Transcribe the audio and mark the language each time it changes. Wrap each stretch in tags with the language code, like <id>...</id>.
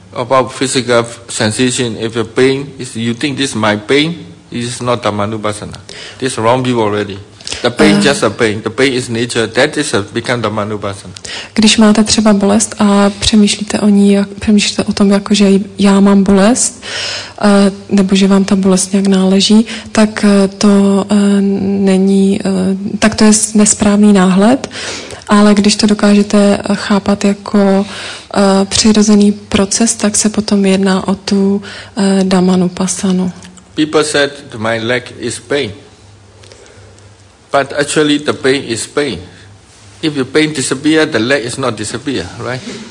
<en>About physical sensation, if your pain is, you think this is my pain, it's not Dhammanu Upasana. This wrong view already. The pain is just a pain. The pain is nature. That is a become Dhammanu Upasana.</en> <cs>Když máte třeba bolest a přemýšlíte o ní, přemýšlíte o tom, jako že já mám bolest, nebo že vám ta bolest nějak náleží, tak to není, tak to je nesprávný náhled. Ale když to dokážete chápat jako přirozený proces, tak se potom jedná o tu Dhammanu Upasanu.</cs> <en>People said my leg is pain. But actually the pain is pain. If your pain disappear, the leg is not disappear, right?</en>